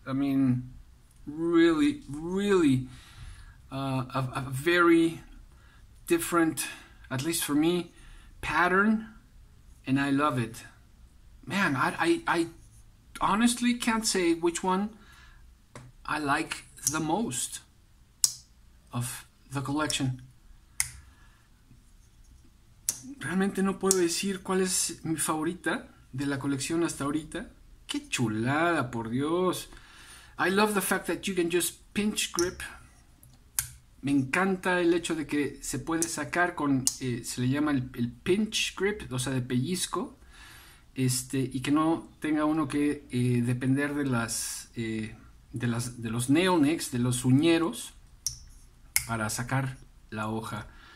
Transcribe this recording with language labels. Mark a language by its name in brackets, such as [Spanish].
[English] I mean, really, really a very different, at least for me, pattern. And I love it. Man, I honestly can't say which one I like the most of the collection. [Spanish] Realmente no puedo decir cuál es mi favorita de la colección hasta ahorita. Qué chulada, por Dios. [English] I love the fact that you can just pinch grip. [Spanish] Me encanta el hecho de que se puede sacar con, se le llama el pinch grip, o sea, de pellizco, y que no tenga uno que depender de de los neonics, de los uñeros, para sacar la hoja.